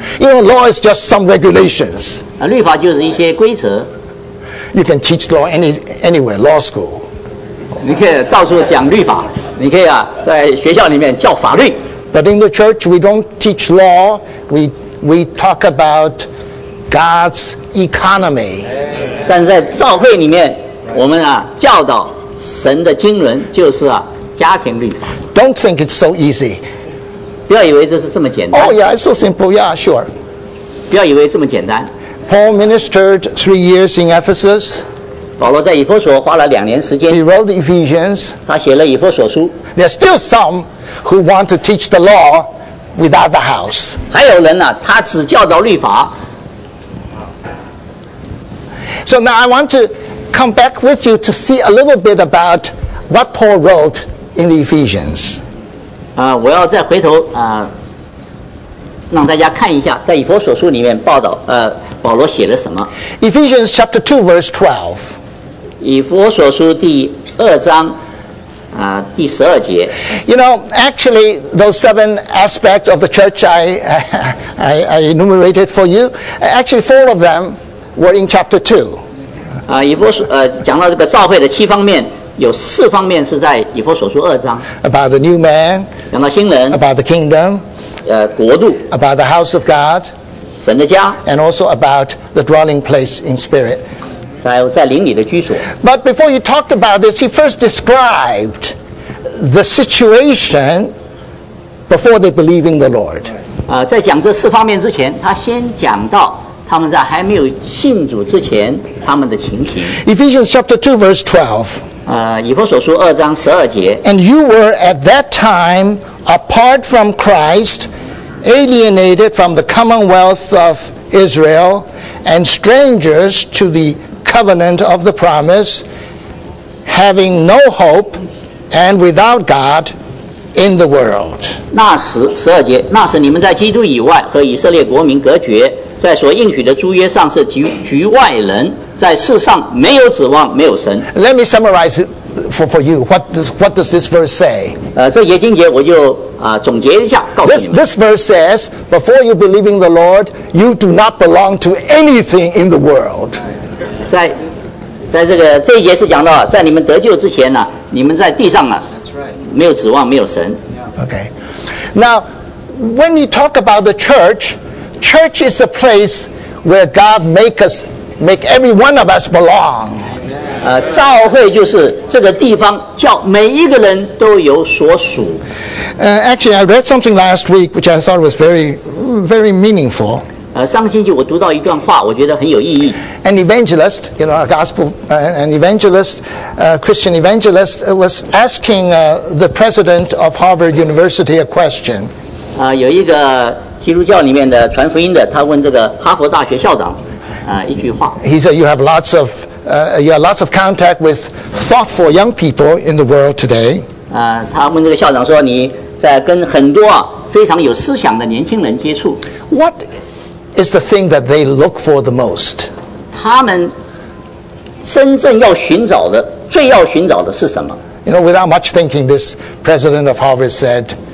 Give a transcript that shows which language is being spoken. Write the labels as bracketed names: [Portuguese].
[Chinese] 因为 [English] law is just some regulations. [Chinese] 啊，律法就是一些规则。 [English] You can teach law anywhere, law school. [Chinese] 你可以到处讲律法，你可以啊在学校里面教法律。 [English] But in the church, we don't teach law. We talk about God's economy. [Chinese] 但在教会里面，我们啊教导神的经纶，就是啊家庭律法。 [English] Don't think it's so easy. [Chinese] 不要以为这是这么简单。 [English] Oh yeah, it's so simple. Yeah, sure. [Chinese] 不要以为这么简单。 [English] Paul ministered 3 years in Ephesus. [Chinese] 保罗在以弗所花了两年时间。 [English] He wrote the Ephesians. [Chinese] 他写了以弗所书。 [English] There's still some who want to teach the law without the house. [Chinese] 还有人呢，他只教导律法。 [English] So now I want to come back with you to see a little bit about what Paul wrote in the Ephesians. [Chinese] 我要再回头让大家看一下，在以弗所书里面报道保罗写了什么。 [English] Ephesians chapter 2 verse 12. [Chinese] 以弗所书第二章第十二节。 [English] You know, actually, those seven aspects of the church I enumerated for you, actually four of them were in chapter 2. [Chinese] 以弗所讲到这个召会的七方面，有四方面是在以弗所书二章。 [English] About the new man. [Chinese] 讲到新人。 [English] About the kingdom. [Chinese] 国度。 [English] About the house of God. [Chinese] 神的家。 [English] And also about the dwelling place in spirit. [Chinese] 在灵里的居所。 [English] But before he talked about this, he first described the situation before they believe in the Lord. [Chinese] 在讲这四方面之前，他先讲到他们在还没有信主之前他们的情形。 [English] Ephesians chapter 2 verse 12. [Chinese] 以弗所书二章十二节。 [English] And you were at that time apart from Christ, alienated from the commonwealth of Israel, and strangers to the covenant of the promise, having no hope and without God in the world. [Chinese] 那时十二节，那时你们在基督以外和以色列国民隔绝，在所应许的诸约上是局外人，在世上没有指望，没有神。 [English] Let me summarize for you. What does this verse say? [Chinese] 这节经节我就总结一下，告诉你们。 [English] This verse says, before you believe in the Lord, you do not belong to anything in the world. [Chinese] 在这个这一节是讲到，在你们得救之前呢，你们在地上啊，没有指望，没有神。 [English] Okay. Now, when you talk about the church. Church is a place where God make every one of us belong. [Chinese] 教会就是这个地方，叫每一个人都有所属。 [English] Actually, I read something last week which I thought was very, very meaningful. [Chinese] 上星期我读到一段话，我觉得很有意义。 [English] An evangelist, you know, a gospel, an evangelist, a Christian evangelist, was asking the president of Harvard University a question. [Chinese] 有一个基督教里面的传福音的，他问这个哈佛大学校长，一句话。 [English] He said, "You have lots of, you have lots of contact with thoughtful young people in the world today." [Chinese] 他问这个校长说，你在跟很多非常有思想的年轻人接触。 [English] What is the thing that they look for the most? [Chinese] 他们真正要寻找的，最要寻找的是什么 [English] ？You know, without much thinking, this president of Harvard said.